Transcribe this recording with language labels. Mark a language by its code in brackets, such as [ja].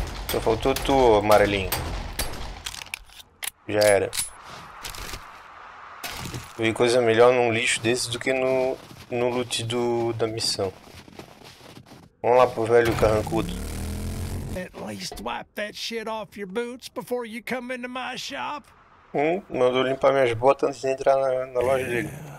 [pt] Só faltou tu, amarelinho. Já era. Vi coisa melhor num lixo desse do que no loot da missão. Vamos lá pro velho carrancudo. [en] At least wipe that shit off your boots before you come into my shop. [pt] Mandou limpar minhas botas antes de entrar na loja dele.